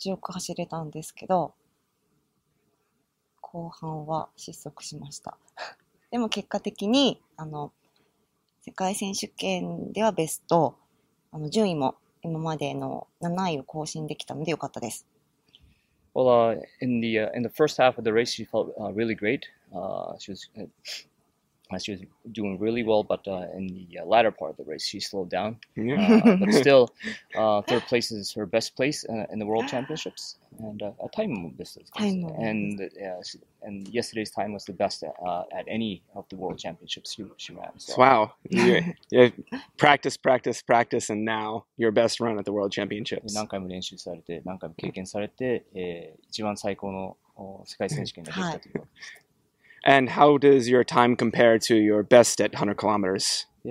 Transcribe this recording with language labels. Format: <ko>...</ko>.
<ja>昨日もすごいコンシスタントなペースを刻んでいただいたと思うんですけども、昨日のレース展開、特に前半どうだったかっていうのを教えてください。前半は気持ちよく走れたんですけど、後半は失速しました。でも結果的に世界選手権ではベスト、順位も今までの7位を更新できたのでよかったです。</ja> <en>Well, in the first half of the race, she felt really great. She was doing really well, but in the latter part of the race, she slowed down. But still, third place is her best place in the World Championships, and a time best. And yesterday's time was the best at any of the World Championships she ran. So. Wow! practice, and now your best run at the World Championships.</en> <ja>何回も練習されて、何回も経験されて、一番最高の世界選手権ができたという。</ja> <en>And how does your time compare to your best at 100 kilometers?</en>